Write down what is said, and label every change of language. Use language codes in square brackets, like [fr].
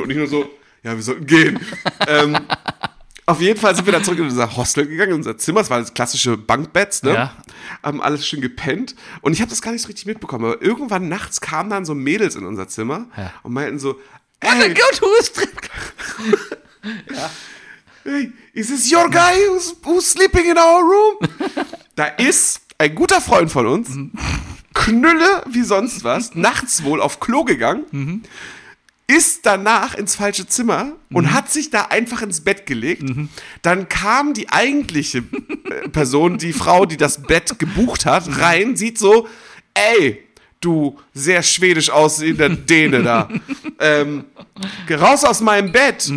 [de] Und nicht nur so, ja, wir sollten gehen. Auf jeden Fall sind wir dann zurück in unser Hostel gegangen, in unser Zimmer. Das waren das klassische Bunkbeds, ne? Ja. Haben alles schön gepennt. Und ich habe das gar nicht so richtig mitbekommen. Aber irgendwann nachts kamen dann so Mädels in unser Zimmer und meinten so, ey. Oh mein Gott, [en] who is [de] drin? [en] Hey, is this your guy who's sleeping in our room? [de] Da ist ein guter Freund von uns, Knülle wie sonst was, nachts wohl auf Klo gegangen, ist danach ins falsche Zimmer und hat sich da einfach ins Bett gelegt. Dann kam die eigentliche Person, die Frau, die das Bett gebucht hat, rein, sieht so, ey, du sehr schwedisch aussehender Däne da, raus aus meinem Bett.